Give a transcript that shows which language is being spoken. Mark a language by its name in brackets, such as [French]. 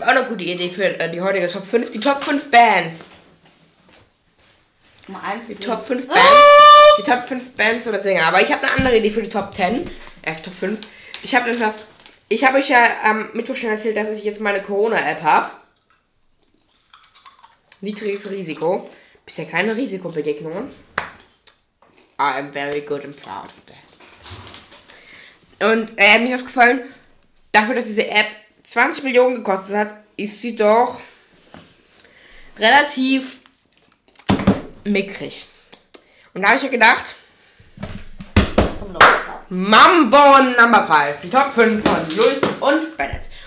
[German] War auch eine gute Idee für die heutige Top 5, die Top 5 Bands. Die Top 5 Bands. Die Top 5 Bands oder Sänger. Aber ich habe eine andere Idee für die Top 10. Top 5. Ich habe etwas. Ich habe euch ja am Mittwoch schon erzählt, dass ich jetzt meine Corona-App habe. Niedriges Risiko. Bisher keine Risikobegegnungen. [English] I am very good and proud of that. [German] Und mir ist aufgefallen, dafür, dass diese App 20 Millionen gekostet hat, ist sie doch relativ mickrig. Und da habe ich ja gedacht, Mambo Number 5, die Top 5 von Louis und Bennett.